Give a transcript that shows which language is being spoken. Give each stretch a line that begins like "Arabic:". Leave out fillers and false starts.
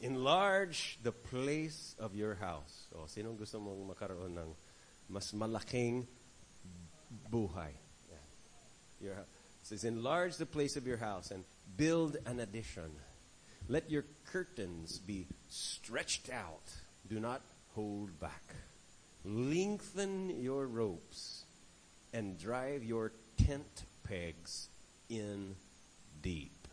English: Enlarge the place of your house.
Filipino: O, sinong gusto mong makaroon ng mas malaking buhay?
English: Yeah. Your house. It says, enlarge the place of your house and build an addition. Let your curtains be stretched out. Do not hold back. Lengthen your ropes and drive your tent pegs in deep.